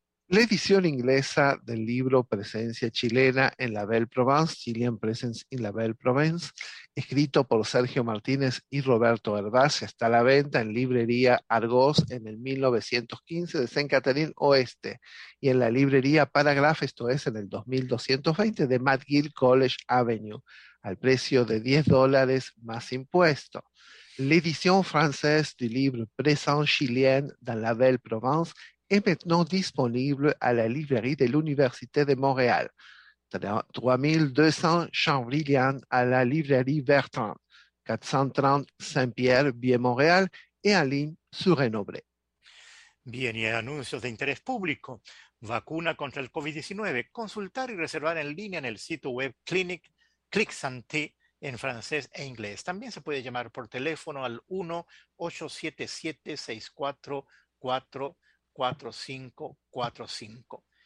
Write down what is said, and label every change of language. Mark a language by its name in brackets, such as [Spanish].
[Spanish] La edición inglesa del libro Presencia chilena en la Belle Province, Chilean Presence in la Belle Province, escrito por Sergio Martínez y Roberto Hervás, está a la venta en librería Argos en el 1915 de Saint-Catherine Oeste y en la librería Paragraph, esto es en el 2220 de McGill College Avenue, al precio de $10 más impuesto. [French] L'édition française du livre Présence chilienne dans la Belle Province est maintenant disponible à la librairie de l'Université de Montréal, 3200 Champlillian à la librairie Bertrand, 430 Saint-Pierre, Vieux Montréal et en ligne sur Renoblet. [Spanish] Bien, y anuncios de interés público. Vacuna contra el COVID-19. Consultar y reservar en línea en el sitio web Clinic Clic Santé en francés e inglés. También se puede llamar por teléfono al 1-877-644-4545.